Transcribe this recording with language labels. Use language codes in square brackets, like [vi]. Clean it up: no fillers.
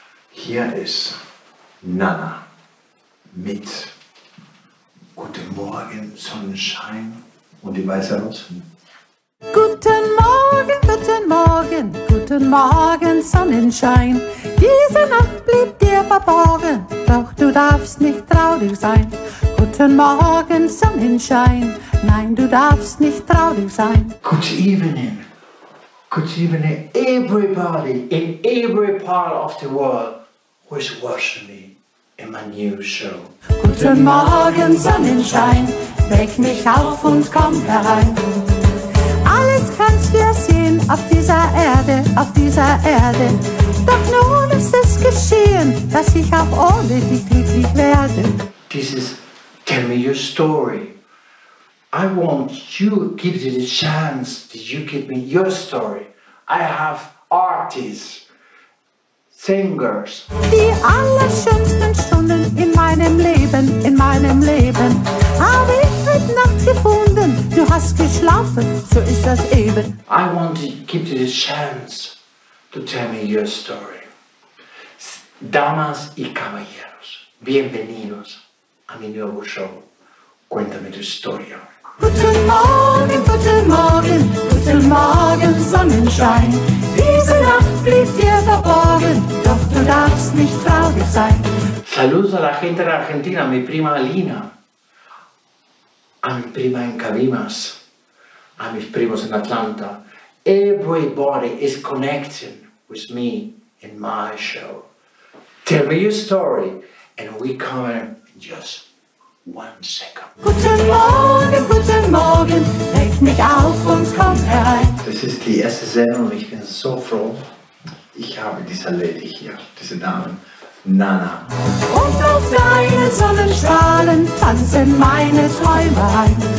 [de] Hier ist Nana mit Guten Morgen, Sonnenschein und die weiße Rose. Guten Morgen, guten Morgen, guten Morgen, Sonnenschein. Diese Nacht blieb dir verborgen, doch du darfst nicht traurig sein. Guten Morgen, Sonnenschein. Nein, du darfst nicht traurig sein. [en] Good evening, everybody in every part of the world who is watching me in my new show. [de] Guten Morgen, Sonnenschein, weck mich auf und komm herein. Alles kannst du sehen auf dieser Erde, doch nun ist es geschehen, dass ich auch ohne dich glücklich werde. [en] This is Tell Me Your Story. I want you to give me the chance that you give me your story. I have artists, singers. [de] Die allerschönsten Stunden in meinem Leben, habe ich heute Nacht gefunden. Du hast geschlafen, so ist das eben. [en] I want to give you the chance to tell me your story. [es] Damas y caballeros, bienvenidos a mi nuevo show. Cuéntame tu historia. [de] Guten Morgen, guten Morgen, guten Morgen, Sonnenschein. Diese Nacht blieb dir verborgen, doch du darfst nicht traurig sein. [es] Saludos a la gente de Argentina, mi prima Alina, a mi prima en Cabimas, a mis primos en Atlanta. [en] Everybody is connecting with me in my show. Tell me your story, and we come in just 1 second. [de] Guten Morgen, guten Morgen, leg mich auf und komm herein. Das ist die erste Sendung und ich bin so froh, ich habe diese Lady hier, diese Dame, Nana. Und auf deinen Sonnenstrahlen tanzen meine Träume ein.